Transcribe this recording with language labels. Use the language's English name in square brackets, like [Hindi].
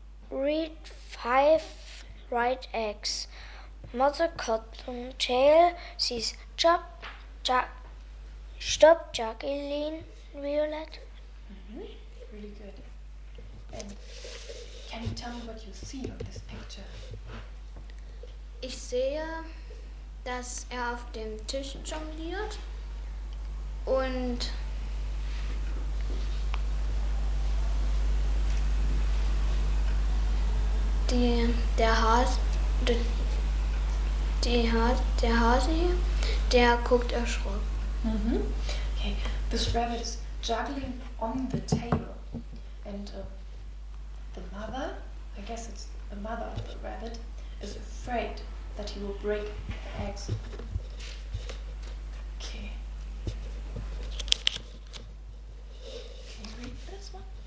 [English] Read five right eggs. Mother Cottontail says, stop juggling, Violet. Mm-hmm. Really good. And can you tell me what you see on this picture? [German] Ich sehe, dass auf dem Tisch jongliert und der Hase guckt erschrocken. [English] Mm-hmm. Okay, this rabbit is juggling on the table, and the mother, I guess it's the mother of the rabbit, is afraid that he will break the eggs. Okay. Can you read this one?